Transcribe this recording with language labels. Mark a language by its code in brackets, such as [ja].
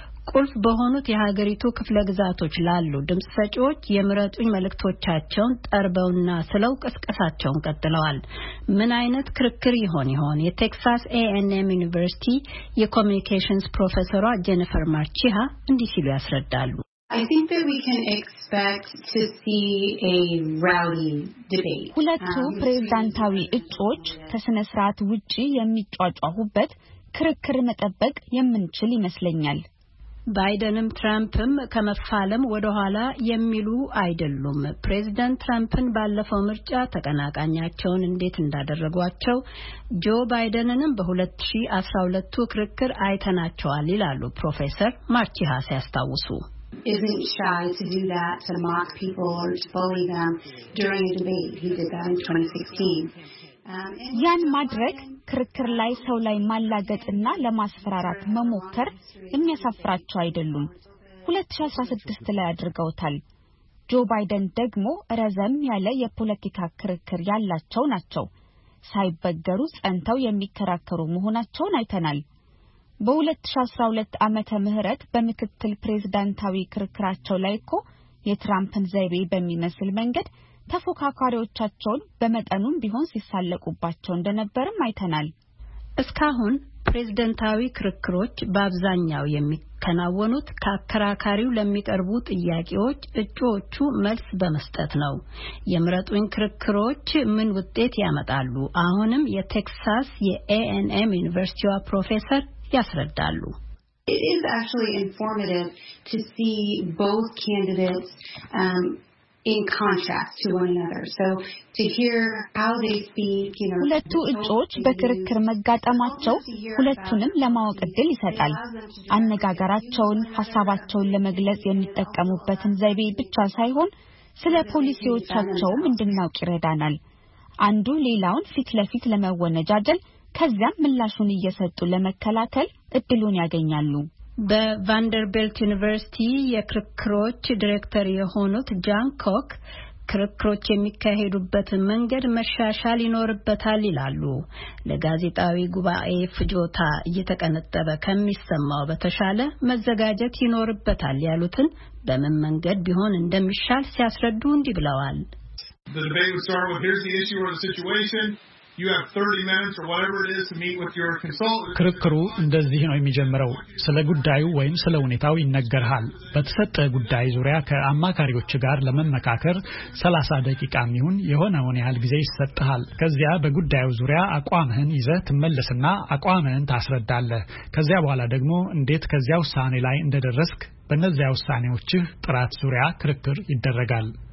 [am] ቁልፍ በሆኑት የሀገሪቱ ክፍለ ግዛቶች ላሉ ድምጽ ሰጪዎች የምረጡኝ መልእክቶቻቸውን ጠርበውና ስለው ቅስቀሳቸውን ቀጥለዋል። ምን አይነት ክርክር ይሆን ይሆን? የቴክሳስ A&M ዩኒቨርሲቲ የኮሙኒኬሽንስ ፕሮፌሰሯ ጀነፈር ማርቺሃ እንዲህ ሲሉ ያስረዳሉ። [en] I think that we can expect to see a rowdy debate. [am] ሁለቱ ፕሬዝዳንታዊ እጩዎች ከስነ ስርዓት ውጪ የሚጫጫሁበት ክርክር መጠበቅ የምንችል ይመስለኛል። ባይደንም ትራምፕም ከመፋለም ወደ ኋላ የሚሉ አይደሉም። ፕሬዝዳንት ትራምፕን ባለፈው ምርጫ ተቀናቃኛቸውን እንዴት እንዳደረጓቸው ጆ ባይደንንም በ2012ቱ ክርክር አይተናቸዋል ይላሉ ፕሮፌሰር ማርቺሃ ሲያስታውሱ። [en] Isn't shy to do that, to mock people or to bully them during a debate. He did that in 2016. [am] ያን ማድረግ ክርክር ላይ ሰው ላይ ማላገጥና ለማስፈራራት መሞከር የሚያሳፍራቸው አይደሉም። 2016 ላይ አድርገውታል። ጆ ባይደን ደግሞ ረዘም ያለ የፖለቲካ ክርክር ያላቸው ናቸው። ሳይበገሩ ጸንተው የሚከራከሩ መሆናቸውን አይተናል። በ2012 ዓመተ ምህረት በምክትል ፕሬዝዳንታዊ ክርክራቸው ላይ እኮ የትራምፕን ዘይቤ በሚመስል መንገድ ተፎካካሪዎቻቸውን በመጠኑም ቢሆን ሲሳለቁባቸው እንደነበርም አይተናል። እስካሁን ፕሬዝዳንታዊ ክርክሮች በአብዛኛው የሚከናወኑት ከአከራካሪው ለሚቀርቡ ጥያቄዎች እጩዎቹ መልስ በመስጠት ነው። የምረጡኝ ክርክሮች ምን ውጤት ያመጣሉ? አሁንም የቴክሳስ የA&M ዩኒቨርሲቲዋ ፕሮፌሰር ያስረዳሉ። [en] It is actually informative to see both candidates in contrast to one another. So to hear how they speak, you know, [am] ሁለቱ እጩዎች በክርክር መጋጠማቸው ሁለቱንም ለማወቅ እድል ይሰጣል። አነጋገራቸውን፣ ሐሳባቸውን ለመግለጽ የሚጠቀሙበትን ዘይቤ ብቻ ሳይሆን ስለ ፖሊሲዎቻቸውም እንድናውቅ ይረዳናል። አንዱ ሌላውን ፊት ለፊት ለመወነጃጀል ከዚያም ምላሹን እየሰጡ ለመከላከል እድሉን ያገኛሉ። በቫንደርቢልት ዩኒቨርሲቲ የክርክሮች ዳይሬክተር የሆኑት ጃን ኮክ ክርክሮች የሚካሄዱበት መንገድ መሻሻል ይኖርበታል ይላሉ። ለጋዜጣዊ ጉባኤ ፍጆታ እየተቀነጠበ ከመስማው በተሻለ መዘጋጀት ይኖርበታል ያሉትን በምን መንገድ ቢሆን እንደሚሻል ሲያስረዱ እንዲብለዋል። [en] the debate would start with, here's the issue or the situation. You have 30 minutes or whatever it is to meet with your consultant. [am] ክርክሩ እንደዚህ ነው የሚጀምረው። ስለ ጉዳዩ ወይም ስለ ሁኔታው ይነገርሃል። በተሰጠ ጉዳይ ዙሪያ ከአማካሪዎች ጋር ለመመካከር 30 ደቂቃ የሚሆን የሆነውን ያህል ጊዜ ይሰጣል። ከዚያ በጉዳዩ ዙሪያ አቋምህን ይዘህ ትመለስና አቋምህን ታስረዳለህ። ከዚያ በኋላ ደግሞ እንዴት ከዚያው ሳኔ ላይ እንደደረስክ በነዚያው ሳኔዎችህ ጥራት ዙሪያ ክርክር ይደረጋል።